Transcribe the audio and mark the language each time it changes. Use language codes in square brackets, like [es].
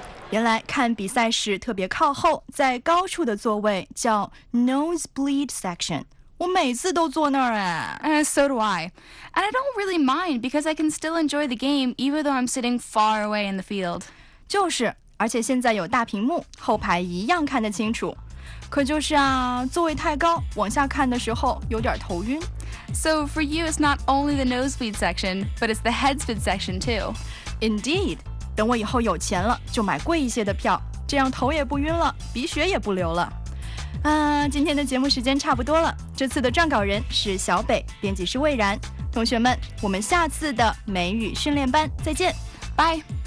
[zh] 原来看比赛时特别靠后，在高处的座位叫 nosebleed section。我每次都坐那儿哎。 [en] And so do I. And I don't really mind because I can still enjoy the game even though I'm sitting far away in the field. [zh] 就是，而且现在有大屏幕，后排一样看得清楚。可就是啊，座位太高，往下看的时候有点头晕。 [en] So for you, it's not only the nosebleed section, but it's the headspin section too. Indeed. [zh] 等我以后有钱了，就买贵一些的票，这样头也不晕了，鼻血也不流了。今天的节目时间差不多了，这次的撰稿人是小北，编辑是魏然。同学们，我们下次的美语训练班再见，拜。